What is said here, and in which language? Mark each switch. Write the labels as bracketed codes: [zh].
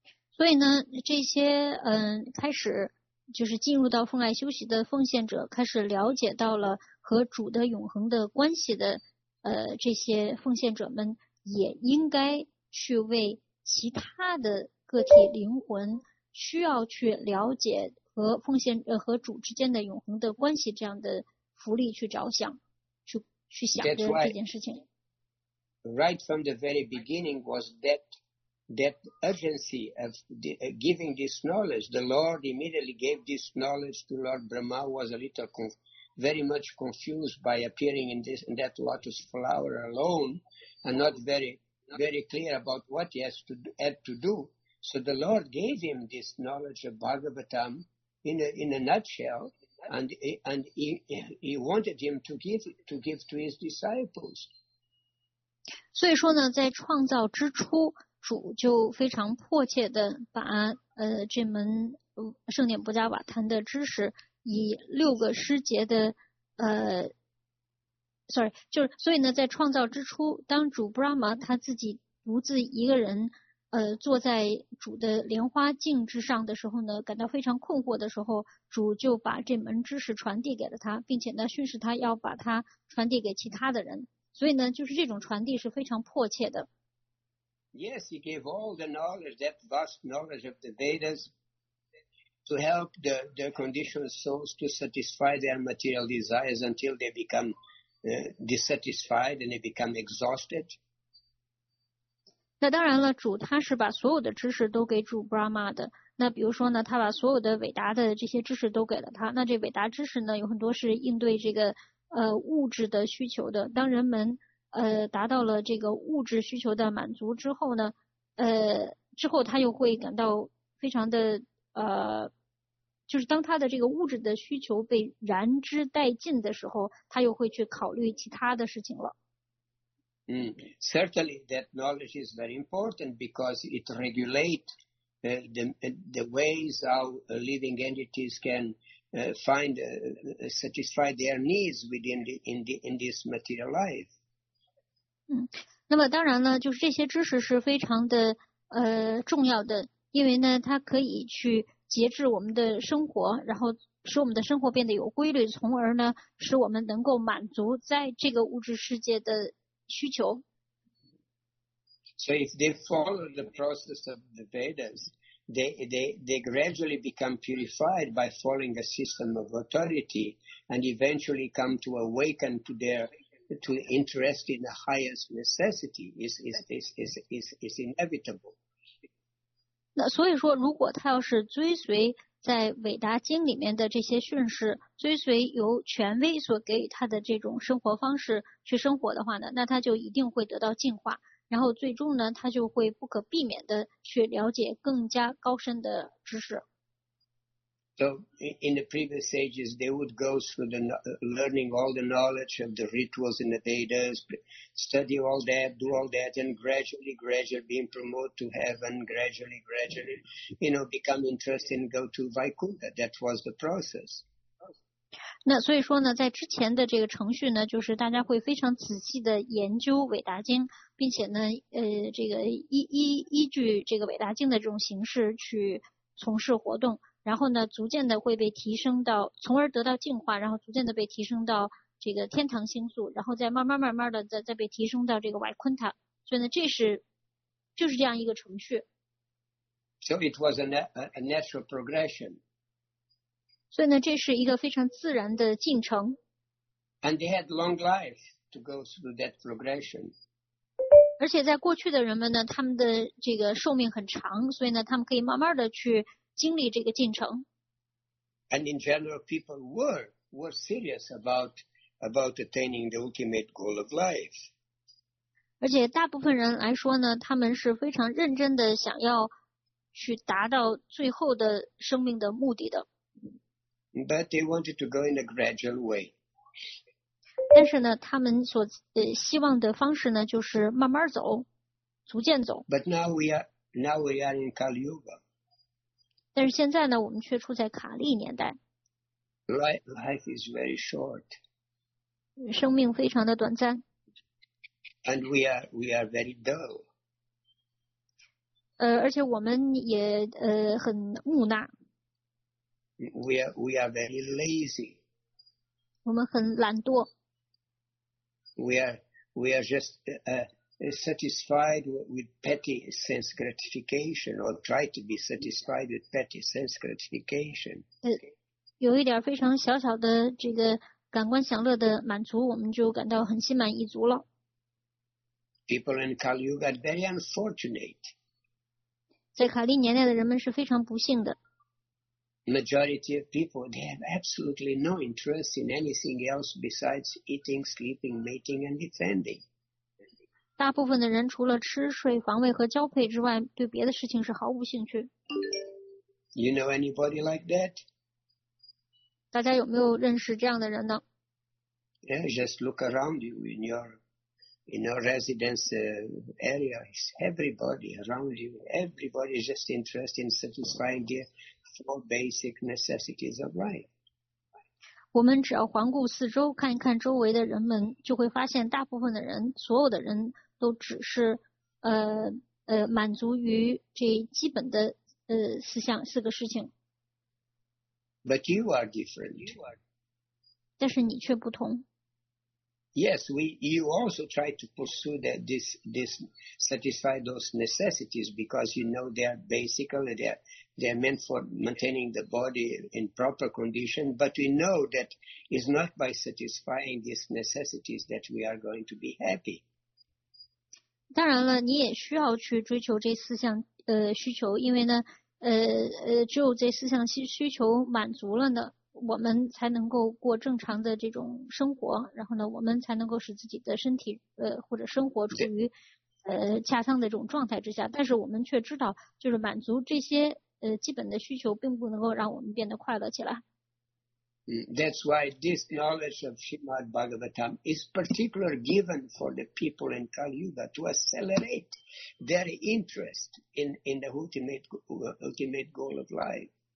[zh] 所以呢，这些开始就是进入到奉爱修习的奉献者，开始了解到了和主的永恒的关系的。这些奉献者们也应该去为其他的个体灵魂需要去了解和奉献和主之间的永恒的关系这样的福利去着想，去想着这件事情。 [en] Right from the very beginning was that urgency of giving this knowledge. The Lord immediately gave this knowledge to Lord Brahma. Was a little very much confused by appearing in that lotus flower alone and not very, very clear about what he had to do. So the Lord gave him this knowledge of Bhagavatam in a nutshell, and he wanted him to give to his disciples. [zh] 所以说呢，在创造之初，主就非常迫切地把这门圣典布加瓦坛的知识以六个师节的就是所以呢，在创造之初，当主 Brahma 他自己独自一个人坐在主的莲花镜之上的时候呢，感到非常困惑的时候，主就把这门知识传递给了他，并且呢训示他要把它传递给其他的人，所以呢就是这种传递是非常迫切的。 [en] Yes, he gave all the knowledge, that vast knowledge of the Vedas,to help the conditioned souls to satisfy their material desires until they become dissatisfied and they become exhausted. [zh] 那当然了，主他是把所有的知识都给主 Brahma 的。那比如说呢，他把所有的伟达的这些知识都给了他。那这伟达知识呢，有很多是应对这个物质的需求的。当人们达到了这个物质需求的满足之后呢，之后他又会感到非常的。就是当他的这个物质的需求被燃脂殆尽的时候，他又会去考虑其他的事情了。 [en] Certainly that knowledge is very important because it regulates the ways how living entities can find satisfy their needs within the, in the, in this material life. [zh] 那么当然呢，就是这些知识是非常的重要的，因为呢，它可以去节制我们的生活，然后使我们的生活变得有规律，从而呢，使我们能够满足在这个物质世界的需求。 [en] So if they follow the process of the Vedas, they gradually become purified by following a system of authority, and eventually come to awaken to their to interest in the highest necessity is inevitable. [zh] 那所以说，如果他要是追随在伟达经里面的这些训示，追随由权威所给他的这种生活方式去生活的话呢，那他就一定会得到净化。然后最终呢，他就会不可避免的去了解更加高深的知识。 [en] So in the previous ages, they would go through the learning all the knowledge of the rituals in the Vedas, study all that, do all that, and gradually being promoted to heaven, gradually, you know, become interested and go to Vaikuntha. That was the process. [zh] 那所以说呢，在之前的这个程序呢，就是大家会非常仔细的研究伟达经，并且呢，这个依据这个伟达经的这种形式去从事活动。然后呢，逐渐的会被提升到，从而得到净化，然后逐渐的被提升到这个天堂星宿，然后再慢慢的再被提升到这个瓦昆塔。所以呢，就是这样一个程序。 [en] So it was a natural progression. [zh] 所以呢，这是一个非常自然的进程。 [en] And they had long life to go through that progression. [zh] 而且在过去的人们呢，他们的这个寿命很长，所以呢，他们可以慢慢的去经历这个进程。 [en] And in general, people were serious about attaining the ultimate goal of life. [zh] 而且大部分人来说呢，他们是非常认真的想要去达到最后的生命的目的的。 [en] But they wanted to go in a gradual way. [zh] 但是呢，他们所希望的方式呢，就是慢慢走，逐渐走。 [en] But now we are in Kali Yuga. [zh] 但是现在呢，我们却处在卡利年代。 [en] Life is very short. [zh] 生命非常的短暂。 [en] And we are very dull. [zh] 而且我们也很木讷。 [en] We are very lazy. [zh] 我们很懒惰。 [en] We are just satisfied with petty sense gratification, or try to be satisfied with petty sense gratification. [zh] 有一点非常小小的这个感官享乐的满足，我们就感到很心满意足了。 [en] People in Kali Yuga are very unfortunate. [zh] 在卡利年代的人们是非常不幸的。 [en] Majority of people, they have absolutely no interest in anything else besides eating, sleeping, mating, and defending. [zh] 大部分的人除了吃睡防卫和交配之外，对别的事情是毫无兴趣。 [en] You know anybody like that? [zh] 大家有没有认识这样的人呢？ [en] Yeah, just look around you in your residence area. It's everybody around you. Everybody is just interested in satisfying their four basic necessities of life. [zh] 我们只要环顾四周，看一看周围的人们，就会发现大部分的人，所有的人都只是满足于这基本的四个事情。 [en] But you are different. [zh] 但是你却不同。 [en] Yes, you also try to pursue that this satisfy those necessities because you know they are basically they are meant for maintaining the body in proper condition. But we know that it's not by satisfying these necessities that we are going to be happy. [zh] 当然了，你也需要去追求这四项需求，因为呢，只有这四项需求满足了呢。我们才能够过正常的这种生活，然后呢，我们才能够使自己的身体或者生活处于恰当的这种状态之下。但是我们却知道，就是满足这些基本的需求，并不能够让我们变得快乐起来。 [en] That's why this knowledge of Srimad Bhagavatam is particularly given for the people in Kali Yuga to accelerate their interest in the ultimate goal of life.